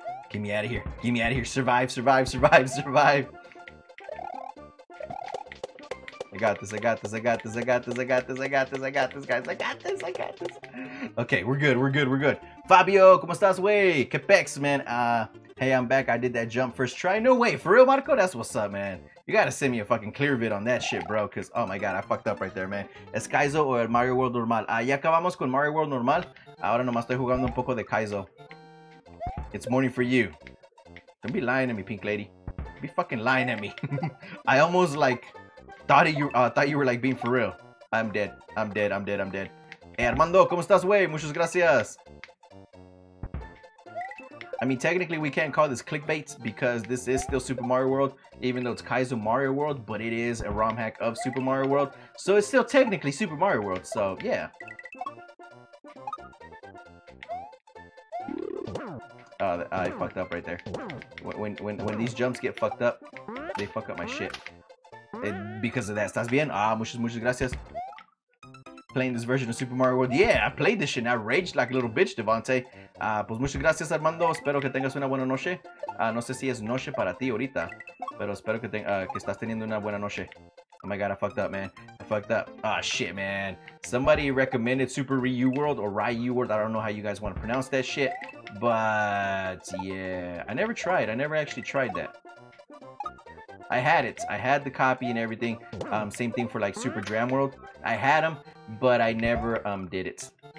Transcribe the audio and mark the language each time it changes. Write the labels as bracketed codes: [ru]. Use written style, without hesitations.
[en] Get me out of here. Survive. I got this, guys. Okay, we're good. Fabio, [es] como estás, wey? [en] Quebec, man. Hey, I'm back. I did that jump first try. No way. For real, Marco? That's what's up, man. You gotta send me a fucking clear vid on that shit, bro. Because, oh my god, I fucked up right there, man. [es] ¿Es Kaizo o el Mario World Normal? Ya acabamos con Mario World Normal. Ahora nomás estoy jugando un poco de Kaizo. [en] It's morning for you. Don't be lying at me, pink lady. Be fucking lying at me. I almost, like, thought you were, like, being for real. I'm dead. [es] Hey, Armando, ¿cómo estás, wey? Muchas gracias. [en] I mean, technically, we can't call this clickbait because this is still Super Mario World, even though it's Kaizo Mario World, but it is a ROM hack of Super Mario World. So it's still technically Super Mario World, so yeah. Oh, I fucked up right there. When these jumps get fucked up, they fuck up my shit. And because of that, [es] ¿estás bien? Ah, muchas gracias. [en] Playing this version of Super Mario World. Yeah, I played this shit and I raged like a little bitch, Devante. [es] Pues muchas gracias, Armando. Espero que tengas una buena noche. No sé si es noche para ti ahorita, pero espero que, que estás teniendo una buena noche. [en] Oh my god, I fucked up, man. Ah, shit, man. Somebody recommended Super Ryu World or Ryu World. I don't know how you guys want to pronounce that shit. But, yeah. I never actually tried that. I had the copy and everything. Same thing for like Super Dram World. I had them, but I never did it.